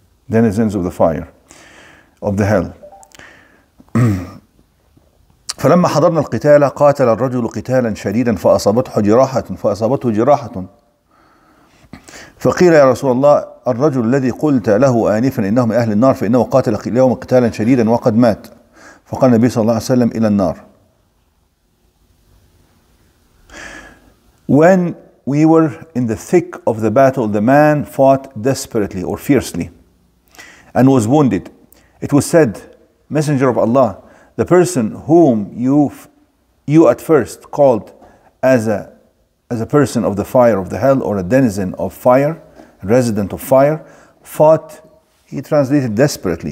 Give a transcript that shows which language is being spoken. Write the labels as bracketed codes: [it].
[en] Denizens of the fire, of the hell. [ar] فلما حضرنا القتال قاتل الرجل قتالا شديدا فأصابته جراحة فقيل يا رسول الله الرجل الذي قلت له آنفا إنه من أهل النار فإنه قاتل اليوم قتالا شديدا وقد مات فقال النبي صلى الله عليه وسلم إلى النار. [en] When we were in the thick of the battle, the man fought desperately or fiercely and was wounded. It was said, Messenger of Allah, the person whom you at first called as a person of the fire of the hell, or a denizen of fire, a resident of fire, fought, he translated desperately.